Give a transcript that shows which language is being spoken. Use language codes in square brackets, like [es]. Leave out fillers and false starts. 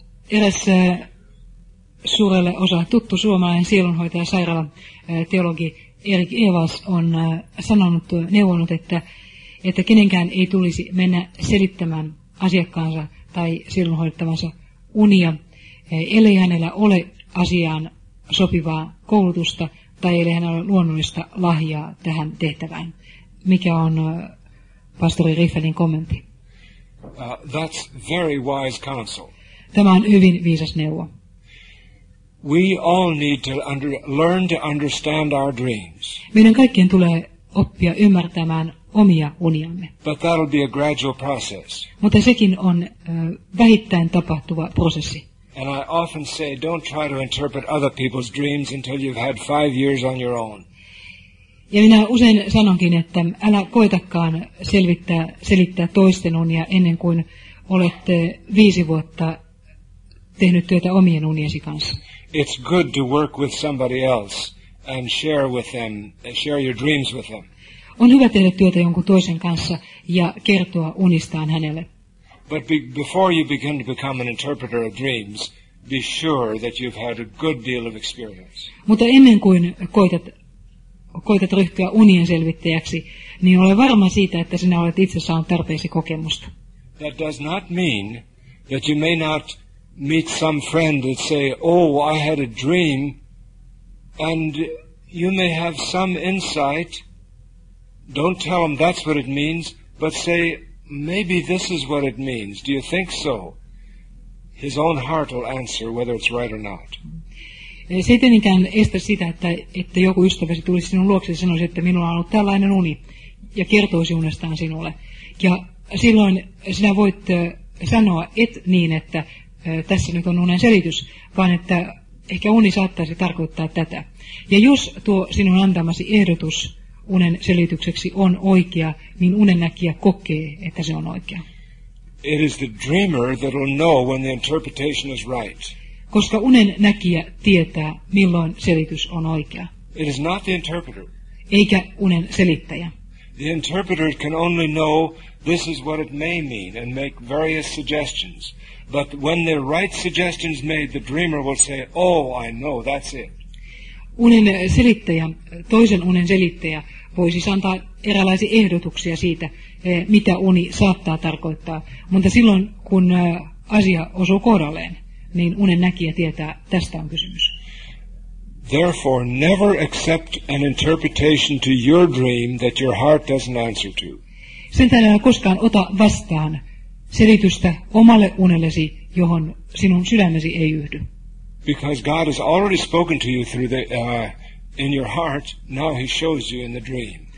[fi] Eräs suurelle osalle tuttu suomalainen sielunhoitaja, sairaalan teologi Erik Evas on sanonut, neuvonut, että kenenkään ei tulisi mennä selittämään asiakkaansa tai sielunhoidettavansa unia, ellei hänellä ole asiaan sopivaa koulutusta tai ellei hänellä ole luonnollista lahjaa tähän tehtävään. Mikä on pastori Riffelin kommentti? [en] That's very wise counsel. [fi] Tämä on hyvin viisas neuvo. [en] We all need to learn to understand our dreams. [fi] Meidän kaikkien tulee oppia ymmärtämään omia uniamme. [en] But that'll be a gradual process. [fi] Mutta sekin on vähittäin tapahtuva prosessi. [en] And I often say, don't try to interpret other people's dreams until you've had 5 years on your own. [fi] Ja minä usein sanonkin, että älä koetakaan selittää toisten unia ennen kuin olette 5 vuotta tehnyt työtä omien uniesi kanssa. [en] It's good to work with somebody else and share with them, share your dreams with them. [fi] On hyvä tehdä työtä jonkun toisen kanssa ja kertoa unistaan hänelle. [en] But before you begin to become an interpreter of dreams, be sure that you've had a good deal of experience. [fi] Mutta ennen kuin koetat ryhtyä unien selvittäjäksi, niin ole varma siitä, että sinä olet itse saanut tarpeeksi kokemusta. [en] That does not mean that you may not meet some friend that say, oh, I had a dream, and you may have some insight. Don't tell them that's what it means, but say, maybe this is what it means. Do you think so? His own heart will answer whether it's right or not. [fi] Se ei tietenkään estä sitä, että joku ystäväsi tulisi sinun luokse ja sanoisi, että minulla on ollut tällainen uni, ja kertoisi unestaan sinulle. Ja silloin sinä voit sanoa, et niin, että tässä nyt on unen selitys, vaan että ehkä uni saattaisi tarkoittaa tätä. Ja jos tuo sinun antamasi ehdotus unen selitykseksi on oikea, niin unennäkijä kokee, että se on oikea. [en] It is the dreamer that will know when the interpretation is right. [fi] Koska unen näkijä tietää, milloin selitys on oikea. [en] It is not the interpreter. [fi] Eikä unen selittäjä. [en] The interpreter can only know this is what it may mean and make various suggestions. But when the right suggestion is made, the dreamer will say, oh, I know, that's it. [fi] Unen selittäjä, toisen unen selittäjä, voisi siis antaa erilaisia ehdotuksia siitä, mitä uni saattaa tarkoittaa. Mutta silloin, kun asia osuu kohdalleen, niin unen näkijä tietää, tästä on kysymys. [en] Therefore, never accept an interpretation to your dream that your heart doesn't answer to. [fi] Sen tähden koskaan ota vastaan selitystä omalle unellesi, johon sinun sydämesi ei yhdy. [en] Because God has already spoken to you through the in your heart, now he shows you in the dream.